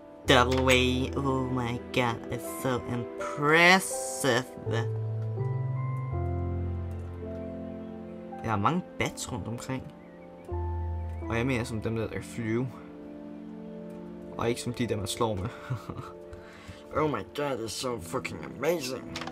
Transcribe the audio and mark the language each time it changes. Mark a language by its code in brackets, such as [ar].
[en] W, oh my god, it's so impressive. [da] Jeg har mange bats rundt omkring. Og jeg mener som dem der kan flyve. Og ikke som de der man slår med. [en] Oh my god, it's so fucking amazing.